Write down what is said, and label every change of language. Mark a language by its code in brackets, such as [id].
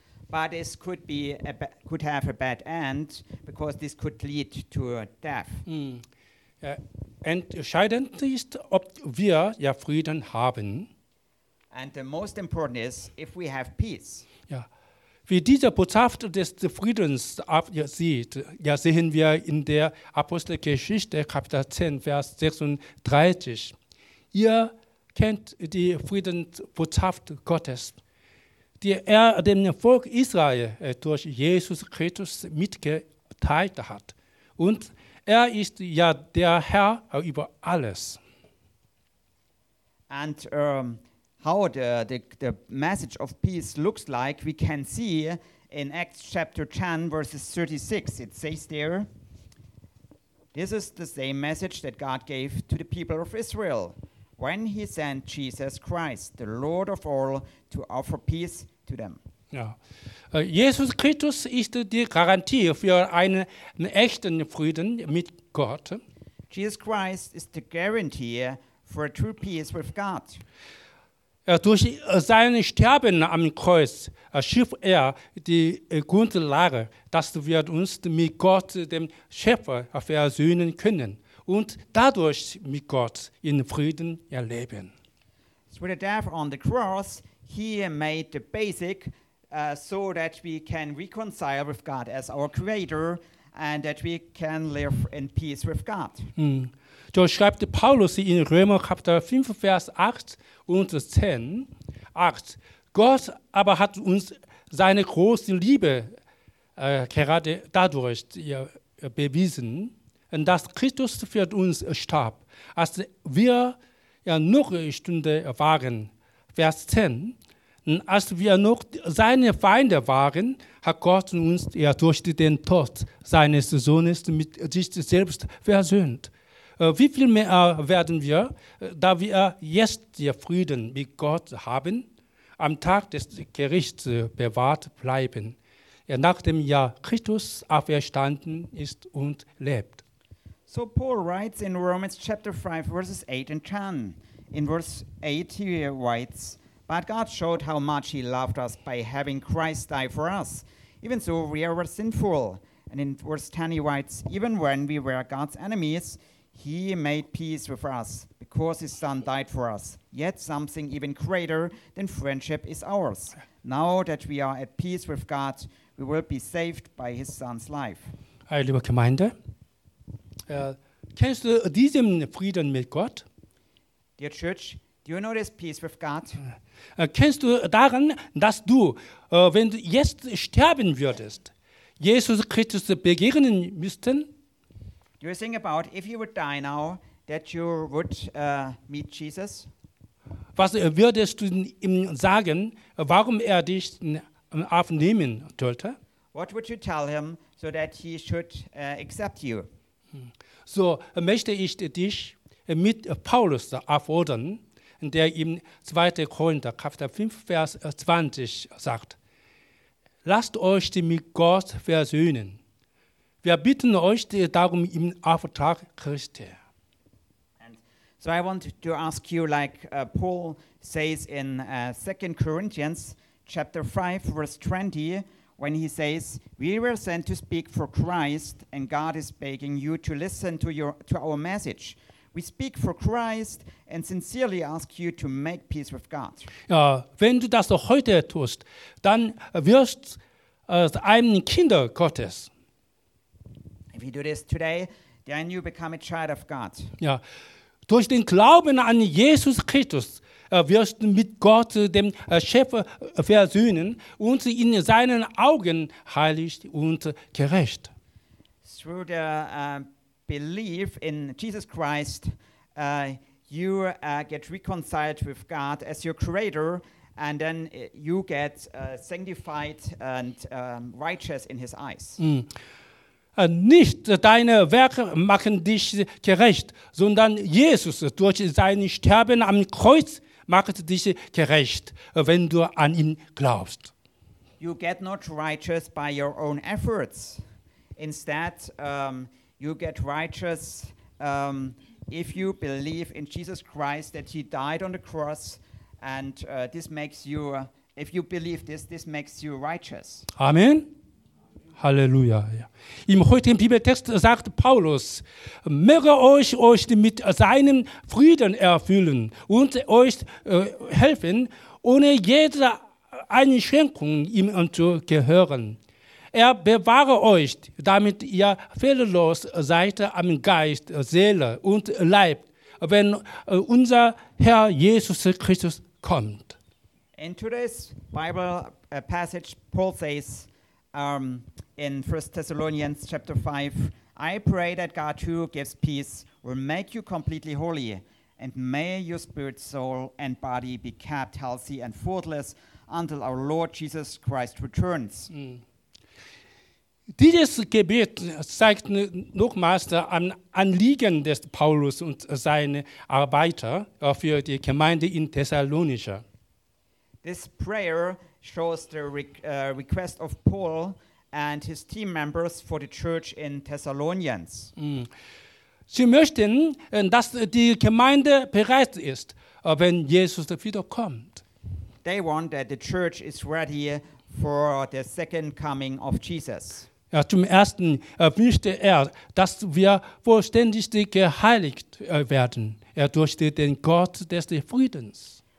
[en] But this could be could have a bad end because this could lead to death. [de] Entscheidend ist, ob wir Frieden haben. [en] And the most important is if we have peace. [de] Ja. Wie diese Botschaft des Friedens aussieht, sehen wir in der Apostelgeschichte, Kapitel 10, Vers 36. Ihr kennt die Friedensbotschaft Gottes, die dem Volk Israel durch Jesus Christus mitgeteilt hat. Und er ist der Herr über alles. [en] And how the message of peace looks like, we can see in Acts chapter 10, verses 36. It says there, this is the same message that God gave to the people of Israel when he sent Jesus Christ, the Lord of all, to offer peace to them. [de] Ja. Jesus Christus ist die Garantie für einen echten Frieden mit Gott. [en] Jesus Christ is the guarantee for a true peace with God. [de] Durch sein Sterben am Kreuz schuf die Grundlage, dass wir uns mit Gott, dem Schöpfer, versöhnen können und dadurch mit Gott in Frieden erleben. [en] Through the death on the cross, he made the basic so that we can reconcile with God as our Creator and that we can live in peace with God. [de] So schreibt Paulus in Römer Kapitel 5, Vers 8 und 10, 8, Gott aber hat uns seine große Liebe gerade dadurch bewiesen, dass Christus für uns starb, als wir noch Stunde waren. Vers 10, als wir noch seine Feinde waren, hat Gott uns durch den Tod seines Sohnes mit sich selbst versöhnt. Wie viel mehr werden wir, da wir jetzt den Frieden mit Gott haben, am Tag des Gerichts bewahrt bleiben, nachdem Christus auferstanden ist und lebt. [en] So Paul writes in Romans chapter 5, verses 8 and 10. In verse 8 he writes, but God showed how much he loved us by having Christ die for us. Even so, we are sinful. And in verse 10 he writes, even when we were God's enemies, he made peace with us because his son died for us. Yet something even greater than friendship is ours. Now that we are at peace with God, we will be saved by his son's life. [de] liebe Gemeinde, kennst du diesen Frieden mit Gott? [en] Dear Church, do you know this peace with God? [de] Kennst du daran, dass du, wenn du jetzt sterben würdest, Jesus Christus begegnen müssten? [en] Do you think about if you would die now, that you would meet Jesus? [de] Was würdest du ihm sagen, warum dich aufnehmen sollte? [en] What would you tell him so that he should accept you? [de] So möchte ich dich mit Paulus auffordern, der im 2. Korinther Kapitel 5, Vers 20 sagt: Lasst euch mit Gott versöhnen. Wir bitten euch darum im Auftrag Christi. [en] So I want to ask you, like Paul says in 2 Corinthians chapter 5, verse 20, when he says, we were sent to speak for Christ, and God is begging you to listen to our message. We speak for Christ and sincerely ask you to make peace with God. [de] Ja, wenn du das heute tust, dann wirst du ein Kind Gottes. [en] If you do this today, then you become a child of God. [de] Ja. Durch den Glauben an Jesus Christus wirst du mit Gott, dem Chef, versöhnen und in seinen Augen heilig und gerecht. [en] Through the belief in Jesus Christ, you get reconciled with God as your Creator, and then you get sanctified and righteous in his eyes. Mm. [de] Nicht deine Werke machen dich gerecht, sondern Jesus durch sein Sterben am Kreuz macht dich gerecht, wenn du an ihn glaubst. [en] You get not righteous by your own efforts. Instead, you get righteous if you believe in Jesus Christ that he died on the cross, and this makes you, if you believe this, this makes you righteous. [de] Amen. Halleluja. Ja. Im heutigen Bibeltext sagt Paulus, möge euch mit seinem Frieden erfüllen und euch helfen, ohne jede Einschränkung ihm zu gehören. Er bewahre euch, damit ihr fehlerlos seid am Geist, Seele und Leib, wenn unser Herr Jesus Christus kommt. [en] In today's Bible passage, Paul says, in 1 Thessalonians chapter 5, I pray that God who gives peace will make you completely holy, and may your spirit, soul, and body be kept healthy and faultless until our Lord Jesus Christ returns. Mm. [de] Dieses Gebet zeigt nochmals ein Anliegen des Paulus und seine Arbeiter für die Gemeinde in Thessalonica. [en] This prayer shows the request of Paul and his team members for the church in Thessalonians. Mm. [de] Sie möchten, dass die Gemeinde bereit ist, wenn Jesus wiederkommt. [en] They want that the church is ready for the second coming of Jesus. [de] Ja, zum Ersten wünschte dass wir vollständig geheiligt werden durch den Gott des Friedens.